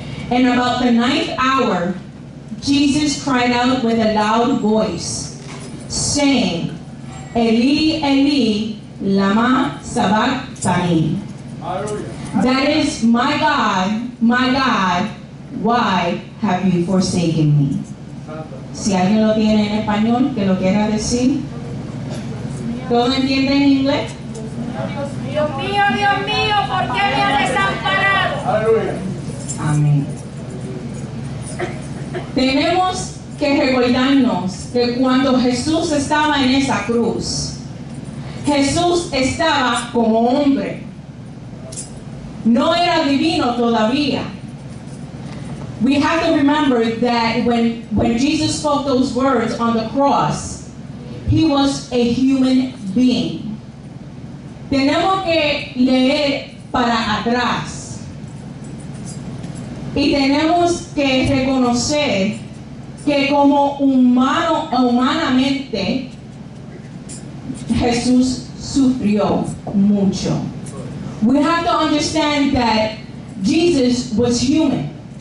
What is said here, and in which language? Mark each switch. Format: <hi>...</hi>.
<en>And about the ninth hour, Jesus cried out with a loud voice, saying,</en> <arc>Eli, Eli, lama sabachthani.</arc> <en>That is, my God, why have you forsaken me?</en> <es>Si alguien lo tiene en español, que lo quiera decir. ¿Todo entiende en inglés? Dios mío, ¿por qué me has desamparado? Aleluya. Amén. Tenemos que recordarnos que cuando Jesús estaba en esa cruz, Jesús estaba como hombre. No era divino todavía.</es> <en>We have to remember that when Jesus spoke those words on the cross, he was a human being.</en> <es>Tenemos que leer para atrás. Y tenemos que reconocer que como humano, humanamente, Jesús sufrió mucho.</es> <en>We have to understand that Jesus was human.</en>